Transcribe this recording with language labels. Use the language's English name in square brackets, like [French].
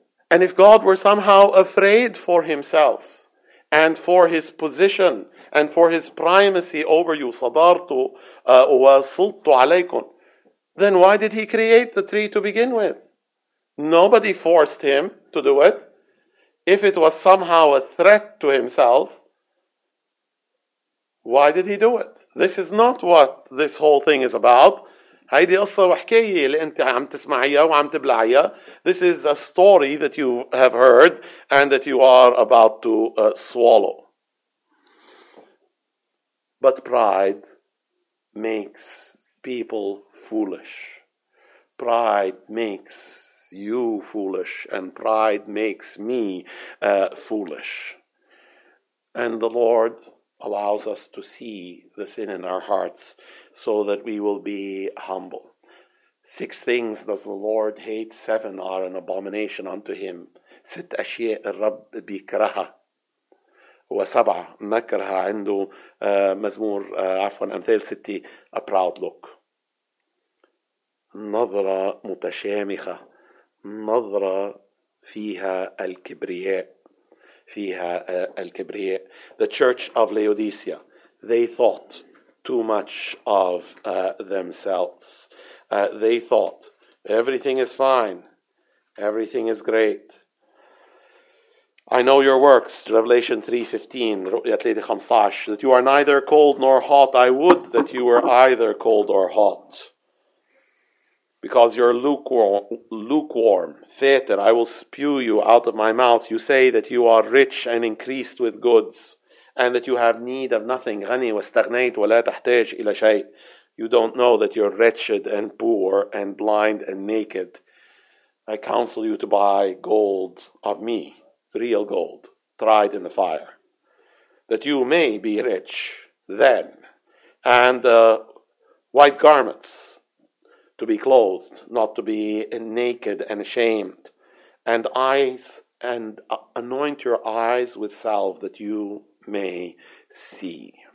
[English] And if God were somehow afraid for himself and for his position and for his primacy over you, [Arabic] صدرت وسلطت عليكم, [English] then why did he create the tree to begin with? Nobody forced him to do it. If it was somehow a threat to himself, why did he do it? This is not what this whole thing is about. [Arabic] هيدي قصة وحكاية اللي أنت عم تسمعيها وعم تبلعيها. [English] This is a story that you have heard and that you are about to swallow. But pride makes people foolish. Pride makes you foolish, and pride makes me foolish. And the Lord allows us to see the sin in our hearts so that we will be humble. Six things does the Lord hate, seven are an abomination unto him. [Arabic] ست أشياء الرب بيكرهها وسبعة مكرهة عنده مزمور عفوا أمثال ستي [English] a proud look. [Arabic] نظرة متشامخة, نظرة فيها الكبرياء, فيها الكبرياء. [English] The church of Laodicea, they thought too much of themselves. They thought everything is fine, everything is great. I know your works, Revelation 3:15, [Arabic] رؤيت ليدي 15, [English] that you are neither cold nor hot. I would that you were either cold or hot. Because you're lukewarm, fetid, I will spew you out of my mouth. You say that you are rich and increased with goods, and that you have need of nothing. [Arabic] غني واستغنيت ولا تحتاج إلى شيء. [English] You don't know that you're wretched and poor and blind and naked. I counsel you to buy gold of me, real gold, tried in the fire, that you may be rich then, and white garments, to be clothed, not to be naked and ashamed, and eyes, and anoint your eyes with salve that you may see.